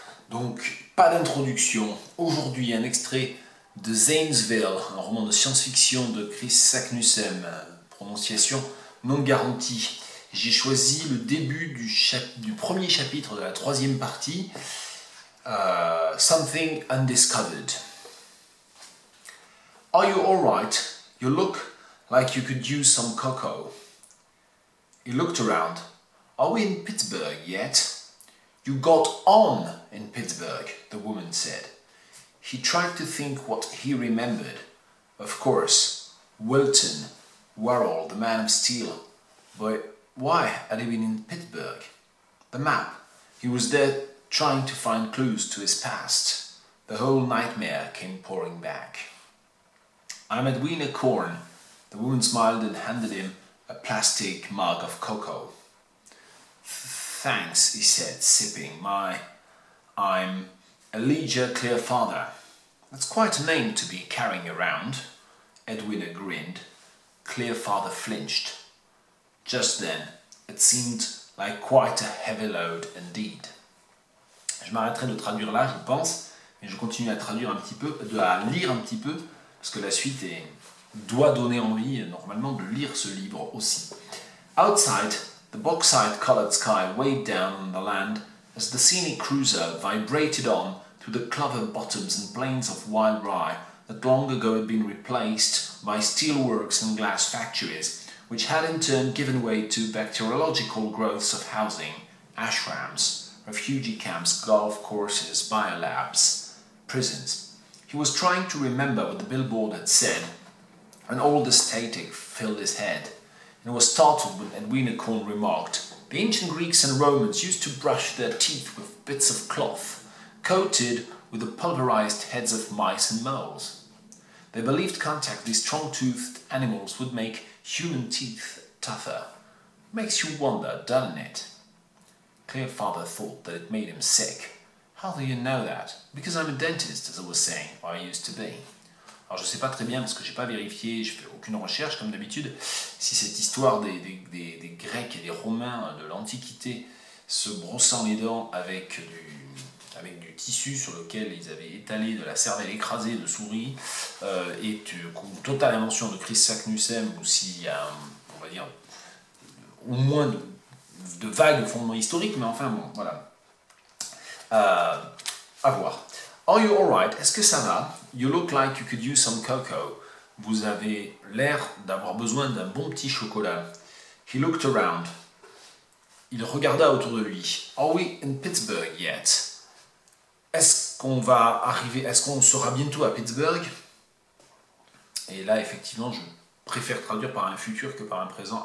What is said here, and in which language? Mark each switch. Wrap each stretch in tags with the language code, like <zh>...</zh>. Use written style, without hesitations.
<fr>Donc, pas d'introduction. Aujourd'hui, un extrait de Zanesville, un roman de science-fiction de Chris Saknussemm. Prononciation non garantie. J'ai choisi le début du premier chapitre de la troisième partie, Something Undiscovered.</fr> <en>Are you all right? You look like you could use some cocoa. He looked around. Are we in Pittsburgh yet? You got on in Pittsburgh, the woman said. He tried to think what he remembered. Of course, Wilton, Worrell, the man of steel. But why had he been in Pittsburgh? The map. He was there trying to find clues to his past. The whole nightmare came pouring back. I'm Edwina Korn. The woman smiled and handed him a plastic mug of cocoa. Thanks, he said, sipping. I'm Elijah Clearfather. That's quite a name to be carrying around. Edwina grinned. Clearfather flinched. Just then, it seemed like quite a heavy load indeed.</en> <fr>Je m'arrêterai de traduire là, je pense, mais je continue à traduire un petit peu, à lire un petit peu, parce que la suite est... doit donner envie, normalement, de lire ce livre aussi.</fr> <en>Outside, the bauxite-colored sky weighed down on the land as the scenic cruiser vibrated on through the clover bottoms and plains of wild rye that long ago had been replaced by steelworks and glass factories, which had in turn given way to bacteriological growths of housing, ashrams, refugee camps, golf courses, biolabs, prisons. He was trying to remember what the billboard had said, and all the static filled his head, and was startled when Edwina Korn remarked, the ancient Greeks and Romans used to brush their teeth with bits of cloth, coated with the pulverized heads of mice and moles. They believed contact with these strong-toothed animals would make human teeth tougher. Makes you wonder, doesn't it? Clearfather thought that it made him sick. How do you know that? Because I'm a dentist, as I was saying, or I used to be.</en> <fr>Alors je ne sais pas très bien parce que je n'ai pas vérifié, je ne fais aucune recherche comme d'habitude, si cette histoire des Grecs et des Romains de l'Antiquité se brossant les dents avec du tissu sur lequel ils avaient étalé de la cervelle écrasée de souris est une totale invention de Chris Saknussemm ou s'il y a, on va dire, au moins de vagues fondements historiques, mais enfin bon, voilà. À voir.</fr> <en>Are you alright?</en> <fr>Est-ce que ça va?</fr> <en>You look like you could use some cocoa.</en> <fr>Vous avez l'air d'avoir besoin d'un bon petit chocolat.</fr> <en>He looked around.</en> <fr>Il regarda autour de lui.</fr> <en>Are we in Pittsburgh yet?</en> <fr>Est-ce qu'on sera bientôt à Pittsburgh? Et là, effectivement, je préfère traduire par un futur que par un présent.</fr>